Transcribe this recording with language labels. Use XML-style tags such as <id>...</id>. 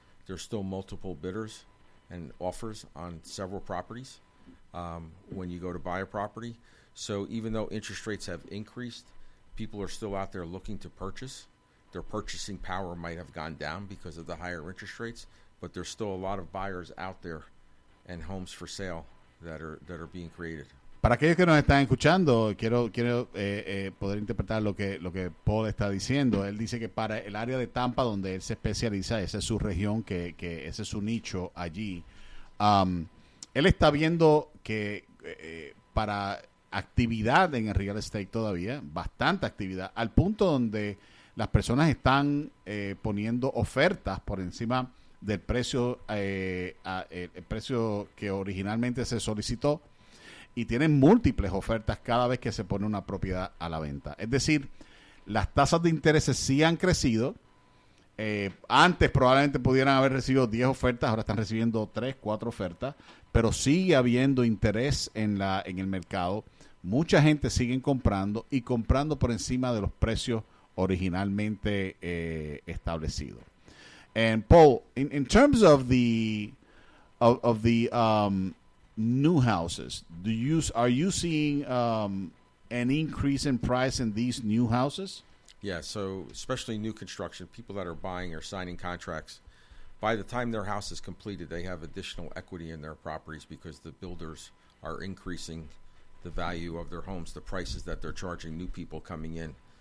<en>There's still multiple bidders and offers on several properties when you go to buy a property. So even though interest rates have increased, people are still out there looking to purchase. Their purchasing power might have gone down because of the higher interest rates, but there's still a lot of buyers out there and homes for sale that are being created.</en> <es>Para aquellos que nos están escuchando, quiero poder interpretar lo que Paul está diciendo. Él dice que para el área de Tampa, donde él se especializa, esa es su región, que ese es su nicho allí, él está viendo que para actividad en el real estate todavía, bastante actividad, al punto donde las personas están poniendo ofertas por encima del precio, el precio que originalmente se solicitó, y tienen múltiples ofertas cada vez que se pone una propiedad a la venta. Es decir, las tasas de intereses sí han crecido. Antes probablemente pudieran haber recibido 10 ofertas, ahora están recibiendo 3, 4 ofertas, pero sigue habiendo interés en el mercado. Mucha gente sigue comprando y comprando por encima de los precios originalmente establecidos.</es> <en>And Paul, in terms of the new houses, are you seeing an increase in price in these new houses? Yeah, so especially new construction, people that are buying or signing contracts, by the time their house is completed, they have additional equity in their properties because the builders are increasing the value of their homes, the prices that they're charging new people coming in.</en>